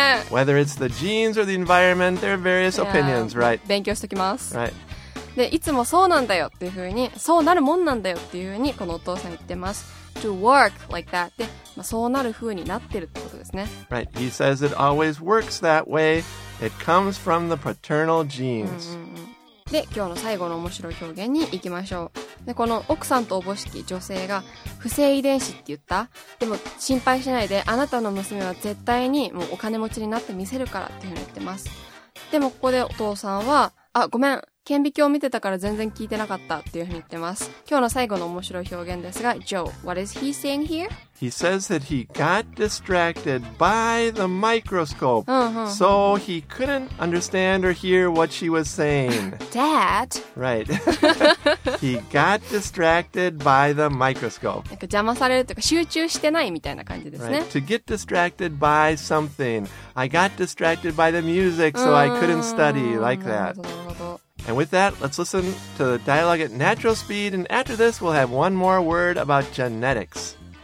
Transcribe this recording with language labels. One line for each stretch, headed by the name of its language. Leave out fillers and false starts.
English: Whether it's the genes or the environment, there are various opinions, right?
Japanese: 勉強しときます。
English: Right.
Japanese: で、いつもそうなんだよっていうふうに、そうなるもんなんだよっていうふうに、このお父さん言ってます。
English: To work like that.
Japanese: で、まあ、そうなるふうになってるってことですね。
English: Right. He says it always works that way. It comes from the paternal genes.
Japanese: で、今日の最後の面白い表現に行きましょう。で、この奥さんとおぼしき女性が、不正遺伝子って言った。でも、心配しないで、あなたの娘は絶対にもうお金持ちになってみせるからっていうふうに言ってます。でも、ここでお父さんは、あ、ごめん。顕微鏡を見てたから全然聞いてなかったっていうふうに言ってます。今日の最後の面白い表現ですが、
English: Joe, what is he saying here? He says that he got distracted by the microscope, so he couldn't understand or hear what she was saying. Dad? Right. He got distracted by the microscope.
Japanese: なんか邪魔されるというか集中してないみたいな感じですね。
English: Right. To get distracted by something. I got distracted by the music, so I couldn't study like that. And with that, let's listen to the dialogue at natural speed, and after this, we'll have one more word about genetics.